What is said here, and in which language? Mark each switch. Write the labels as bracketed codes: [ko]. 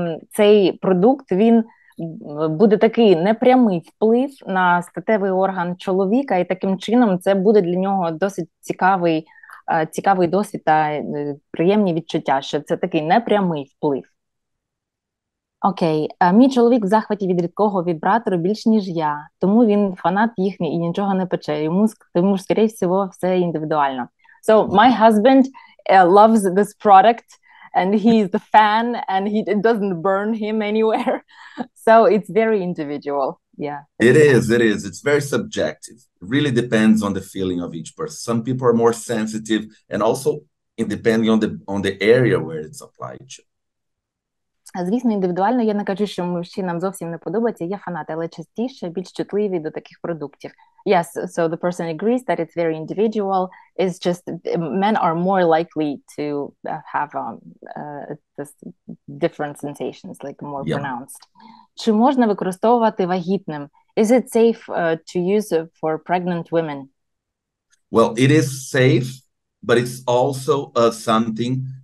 [uk] цей продукт, він буде такий непрямий вплив на статевий орган чоловіка, і таким чином це буде для нього досить цікавий досвід та приємні відчуття, що це такий непрямий вплив. Окей, мій чоловік в захваті від рідкого вібратору більше, ніж я, тому він фанат їхній і нічого не пече, тому, скоріше всього, все індивідуально. [en] So, my husband loves this product, and he's the fan, and it doesn't burn him anywhere. So, it's very individual. Yeah. It is. It's very subjective. It really depends on the feeling of each person. Some people are more sensitive, and also depending on the area where it's applied to. [uk] Звісно, індивідуально, я не кажу, що мужчинам зовсім не подобається, я фанат, але частіше більш чутливі до таких продуктів. [en] Yes, so the person agrees that it's very individual. It's just men are more likely to have this different sensations, like more pronounced. [uk] Чи можна використовувати вагітним? [en] Is it safe to use for pregnant women? Well, it is safe, but it's also something...